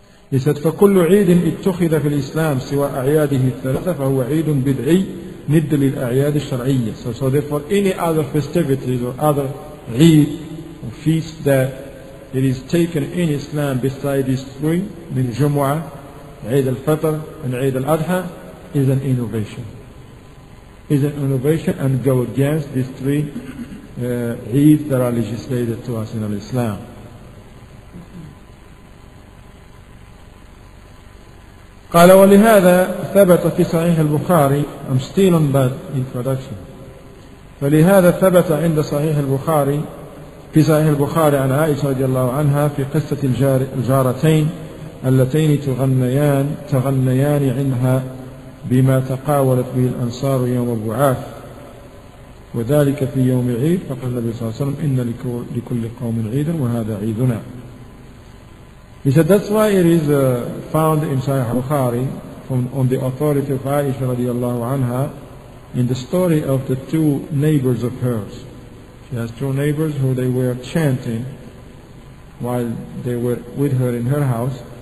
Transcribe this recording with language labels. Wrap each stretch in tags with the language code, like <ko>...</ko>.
<en>He said,</en> <ar>فَكُلُّ عِيدٍ اتُّخِذَ فِي الْإِسْلَامِ سِوَى أَعْيَادِهِ الثَّلَاثَ فَهُوَ عِيدٌ بِدْعِي نِدَّ لِلْأَعْيَادِ الشَّرْعِيَّةِ</ar> <en>So therefore, any other festivities or other Eid or feast that it is taken in Islam beside these three, min Jumu'ah, Eid al-Fitr, and Eid al-Adha, is an innovation. Is an innovation and go against these three Eid that are legislated to us in Islam.</en> <ar>قال ولهذا ثبت في صحيح البخاري</ar> <en>I'm still on that introduction</en> <ar>فلهذا ثبت عند صحيح البخاري في صحيح البخاري عن عائشة رضي الله عنها في قصة الجارتين اللتين تغنيان عنها بما تقاولت به الأنصار يوم البعاث وذلك في يوم عيد فقال النبي صلى الله عليه وسلم إن لكل قوم عيدا وهذا عيدنا.</ar> <en>He said, that's why it is found in Sahih Bukhari on the authority of Aisha radiallahu anha in the story of the two neighbors of hers. She has two neighbors who they were chanting while they were with her in her house.</en>